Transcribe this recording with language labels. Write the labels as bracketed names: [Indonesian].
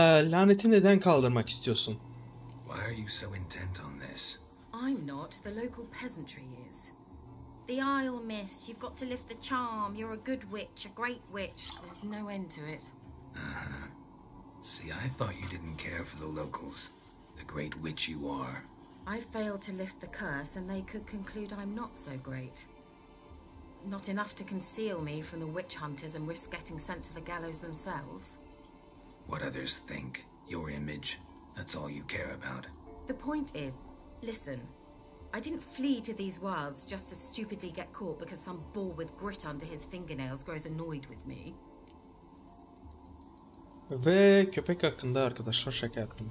[Turkish] Laneti neden kaldırmak istiyorsun? [English] Why are you so intent on this? I'm not, the local peasantry is. The Isle, miss, you've got to lift the charm. You're a good witch, a great witch. There's no end to it. See, I thought you didn't care for the locals. The great witch you are. I failed to lift the curse and they could conclude I'm not so great. Not enough to conceal me from the witch hunters and risk getting sent to the gallows themselves. What others think, your image, that's all you care about. The point is, listen, I didn't flee to these wilds just to stupidly get caught because some boar with grit under his fingernails grows annoyed with me. [Turkish] Ve köpek hakkında arkadaşlar şaka yaptım.